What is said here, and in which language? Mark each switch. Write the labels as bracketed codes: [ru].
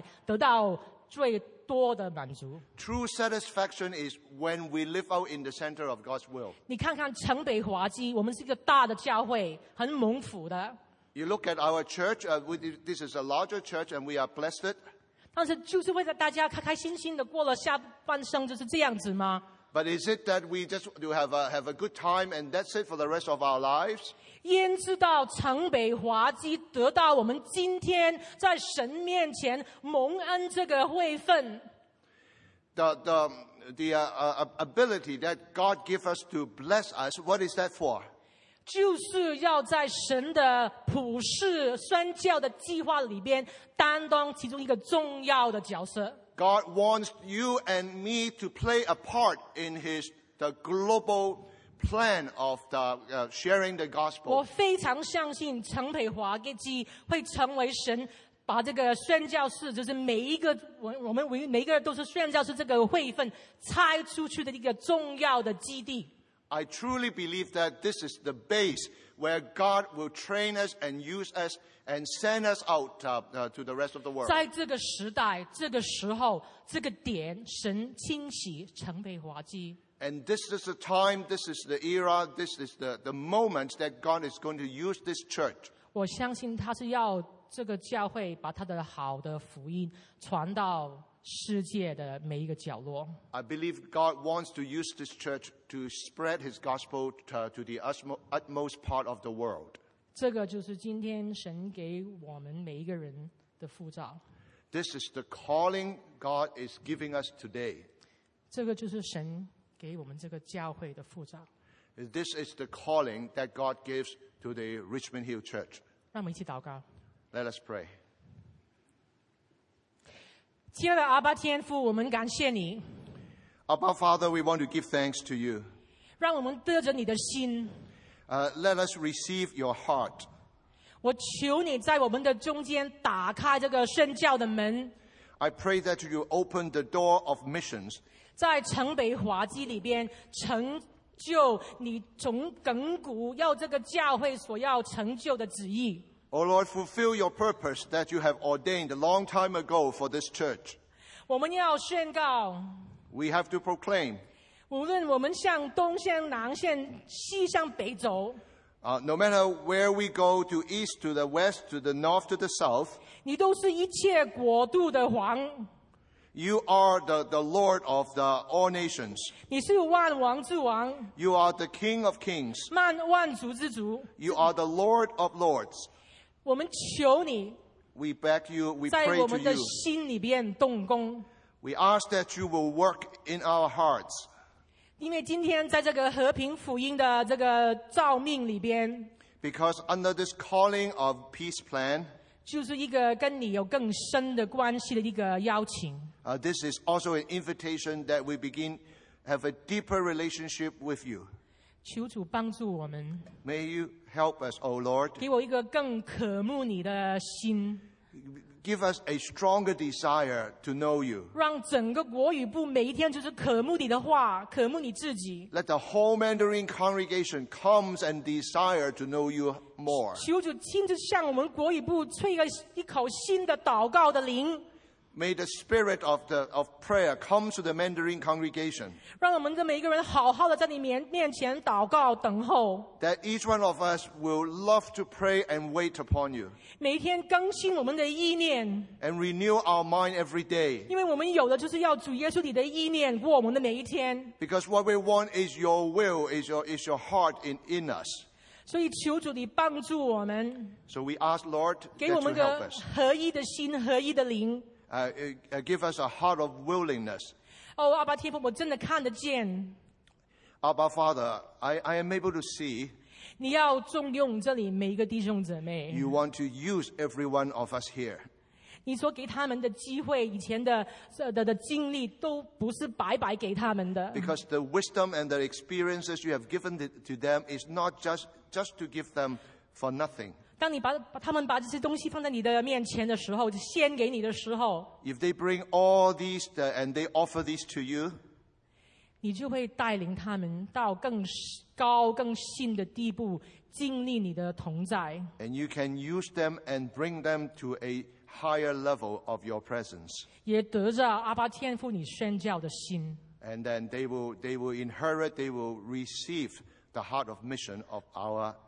[zh] 我们一生的满足就是透过神的旨意彰显出来，得到最多的满足。 [en] True satisfaction is when we live out in the center of God's will. [zh] 你看看城北华基，我们是一个大的教会，很蒙福的。 [en] You look at our church, this is a larger church and we are blessed. [zh] 但是就是为了大家开开心心的过了下半生就是这样子吗？ [en] But is it that we just have a good time and that's it for the rest of our lives? [zh] 焉知道城北华基得到我们今天在神面前蒙恩这个位分。 [en] The ability that God gives us to bless us, what is that for? [zh] 就是要在神的普世宣教的计划里边担当其中一个重要的角色。 [en] God wants you and me to play a part in the global plan of sharing the gospel. [zh] 我非常相信陈培华会成为神把这个宣教士，就是每一个我们每一个人都是宣教士这个位分拆出去的一个重要的基地。 [en] I truly believe that this is the base where God will train us and use us and send us out to the rest of the world. [zh] 在这个时代、这个时候、这个点，神清洗陈培华基。 [en] And this is the time, this is the era, this is the moment that God is going to use this church. [zh] 我相信他是要这个教会把他的好的福音传到世界的每一个角落。 [en] I believe God wants to use this church to spread His gospel to the utmost part of the world. [zh] 这个就是今天神给我们每一个人的呼召。 [en] This is the calling God is giving us today. [zh] 这个就是神给我们这个教会的呼召。 [en] This is the calling that God gives to the Richmond Hill Church. [zh] 让我们一起祷告。 [en] Let us pray. [zh] 亲爱的阿爸天父，我们感谢你。 [en] Abba Father, we want to give thanks to you. [zh] 让我们得着你的心。 [en] Let us receive your heart. [zh] 我求你在我们的中间打开这个宣教的门。 [en] I pray that you open the door of missions. [zh] 在陈培华基里边成就你从亘古要这个教会所要成就的旨意。 [en] O Lord, fulfill your purpose that you have ordained a long time ago for this church. [zh] 我们要宣告。 [en] We have to proclaim. [zh] 无论我们向东、向南、向西、向北走。 [en] No matter where we go, to east, to the west, to the north, to the south. [zh] 你都是一切国度的王。 [en] You are the Lord of the all nations. [zh] 你是万王之王。 [en] You are the King of kings. [zh] 万族之主。 [en] You are the Lord of lords. [zh] 我们求你 [en] we beg you, we pray [zh] 在我们的心里边动工。 [en] We ask that you will work in our hearts. [zh] 因为今天在这个和平福音的这个召命里边 [en] Because under this calling of peace plan, [zh] 就是一个跟你有更深的关系的一个邀请。 [en] This is also an invitation that we begin have a deeper relationship with you. [zh] 求主帮助我们。 [en] May you help us, O Lord. [zh] 给我一个更渴慕你的心。 [en] Give us a stronger desire to know you. [zh] 让整个国语部每一天就是渴慕你的话，渴慕你自己。 [en] Let the whole Mandarin congregation comes and desire to know you more. [zh] 求主亲自向我们国语部吹一口新的祷告的灵。 [en] May the spirit of prayer come to the Mandarin congregation. [zh] 让我们的每一个人好好的在你面前祷告等候。 [en] That each one of us will love to pray and wait upon you. [zh] 每一天更新我们的意念。 [en] And renew our mind every day. [zh] 因为我们有的就是要主耶稣你的意念过我们的每一天。 [en] Because what we want is your will, is your heart in us. [zh] 所以求主你帮助我们。 [en] So we ask Lord, [zh] 给我们个合一的心，合一的灵。 [en] Give us a heart of willingness. [zh] Oh, Abba 天父，我真的看得见。 [en] Abba Father, I am able to see. [zh] 你要重用这里每一个弟兄姊妹。 [en] You want to use every one of us here. [zh] 你所给他们的机会，以前的经历都不是白白给他们的。 [en] Because the wisdom and the experiences you have given to them is not just to give them for nothing. [zh] 当你把他们把这些东西放在你的面前的时候，就献给你的时候 [en] ，If they bring all these and they offer these to you， [zh] 你就会带领他们到更高、更新的地步，经历你的同在。 [en] And you can use them and bring them to a higher level of your presence。 [zh] 也得着阿爸天父你宣教的心。 [en] And then they will inherit, they will receive the heart of mission of our.